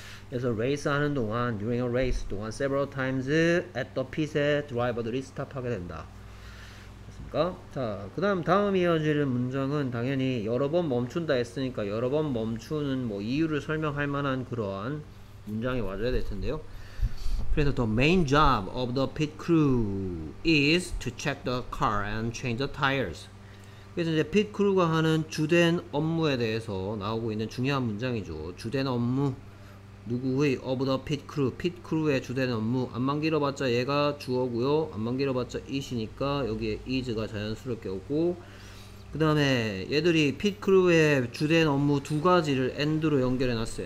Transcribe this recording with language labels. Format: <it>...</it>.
<ko>그래서 race 하는 동안</ko> <en>during a race</en> <ko>동안</ko> <en>several times at the pit</en> <ko>에 드라이버들이 스탑하게 된다. 됐습니까? 자, 그다음 다음 이어질 문장은 당연히 여러 번 멈춘다 했으니까 여러 번 멈추는 뭐 이유를 설명할 만한 그러한 문장이 와줘야 될 텐데요. 그래서</ko> <en>the main job of the pit crew is to check the car and change the tires.</en> <ko>그래서 이제 pit crew가 하는 주된 업무에 대해서 나오고 있는 중요한 문장이죠. 주된 업무 누구의</ko> <en>of the pit crew,</en> <ko>pit crew의 주된 업무 안만 길어봤자 얘가 주어고요. 안만 길어봤자 is이니까 여기에 is가 자연스럽게 오고 그 다음에 얘들이 pit crew의 주된 업무 두 가지를 and로 연결해놨어요.</ko>